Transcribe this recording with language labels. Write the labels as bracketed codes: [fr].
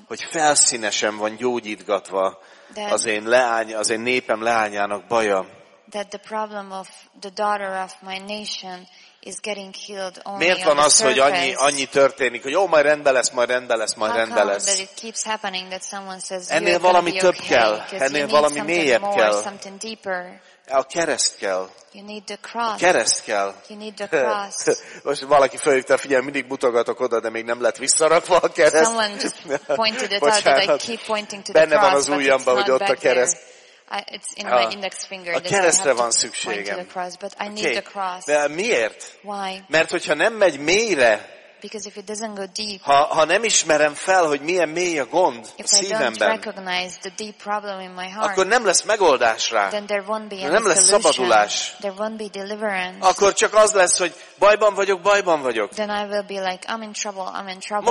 [hu] hogy felszínesen van gyógyítgatva az én népem leányának baja. [en] That the problem of the daughter of my nation is getting healed only. [hu] Miért van az, hogy annyi történik, hogy majd rendbe lesz. [en] How come that it keeps happening that someone says, [hu] ennél valami több [en] okay, [hu] kell, ennél valami mélyebb [en] more, [hu] kell. [en] Something deeper. [hu] A kereszt kell. [en] You need the cross. [hu] A kereszt kell. [en] You need the cross. [hu] Most valaki felhívta, figyelj, mindig mutogatok oda, de még nem lett visszarakva a kereszt. [en] Someone just pointed it out that I keep pointing to the [hu] benne [en] cross. [hu] Van az ujjamba, hogy ott a kereszt. [en] It's in my index finger. [hu] A keresztre van szükségem. [en] Okay. [hu] De miért? [en] Why? [hu] Mert hogyha nem megy mélyre, [en] because if it doesn't go deep, [hu] ha nem ismerem fel, hogy milyen mély a gond [en] if [hu] a szívemben, [en] I don't recognize the deep problem in my heart, [hu] akkor nem lesz megoldás rá. [en] Then there won't be any [hu] nem lesz [en] solution, [hu] szabadulás. [en] There won't be deliverance. [hu] Akkor csak az lesz, hogy bajban vagyok. [en] Then I will be like, I'm in trouble, I'm in trouble.